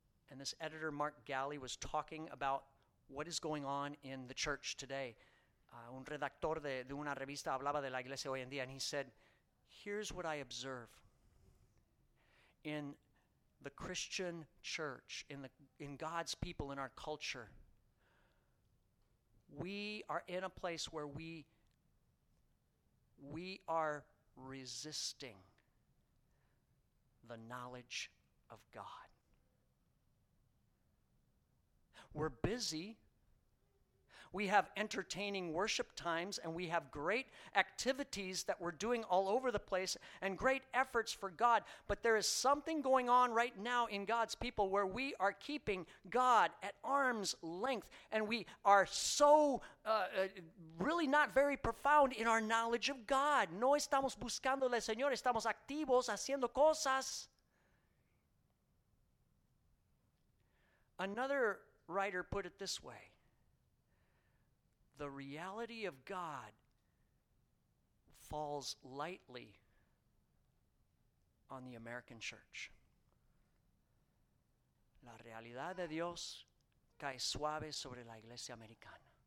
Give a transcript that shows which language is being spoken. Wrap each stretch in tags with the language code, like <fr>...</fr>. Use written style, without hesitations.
<en>And this editor, Mark Galley, was talking about what is going on in the church today.</en> <es>Un redactor de una revista hablaba de la iglesia hoy en día,</es> <en>and he said, here's what I observe in the Christian church, in God's people, in our culture. We are in a place where we are resisting the knowledge of God. We're busy. We have entertaining worship times, and we have great activities that we're doing all over the place and great efforts for God. But there is something going on right now in God's people where we are keeping God at arm's length, and we are so really not very profound in our knowledge of God.</en> <es>No estamos buscando al Señor, estamos activos haciendo cosas.</es> <en>Another writer put it this way. The reality of God falls lightly on the American church.</en> <es>La realidad de Dios cae suave sobre la iglesia americana.</es>